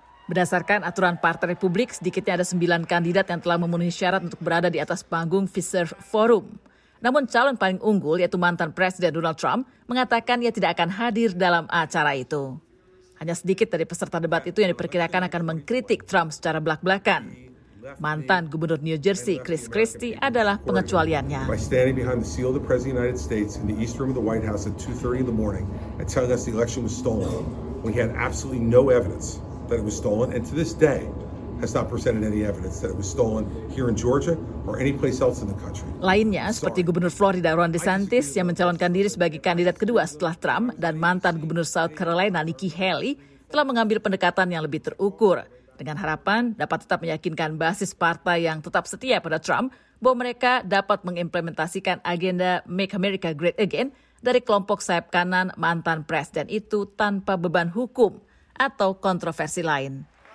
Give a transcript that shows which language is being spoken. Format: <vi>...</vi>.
<id>Berdasarkan aturan Partai Republik, sedikitnya ada 9 kandidat yang telah memenuhi syarat untuk berada di atas panggung Fisher Forum. Namun calon paling unggul, yaitu mantan Presiden Donald Trump, mengatakan ia tidak akan hadir dalam acara itu. Hanya sedikit dari peserta debat itu yang diperkirakan akan mengkritik Trump secara belak-belakan. Mantan Gubernur New Jersey Chris Christie adalah pengecualiannya.</id> <en>By standing behind the seal of the President of the United States in the East Room of the White House at 2:30 in the morning and telling us the election was stolen, we had absolutely no evidence that it was stolen, and to this day has not presented any evidence that it was stolen here in Georgia or any place else in the country.</en> <id>Lainnya seperti Gubernur Florida Ron DeSantis yang mencalonkan diri sebagai kandidat kedua setelah Trump dan mantan Gubernur South Carolina Nikki Haley telah mengambil pendekatan yang lebih terukur. Dengan harapan dapat tetap meyakinkan basis partai yang tetap setia pada Trump bahwa mereka dapat mengimplementasikan agenda Make America Great Again dari kelompok sayap kanan mantan presiden itu tanpa beban hukum atau kontroversi lain.</id>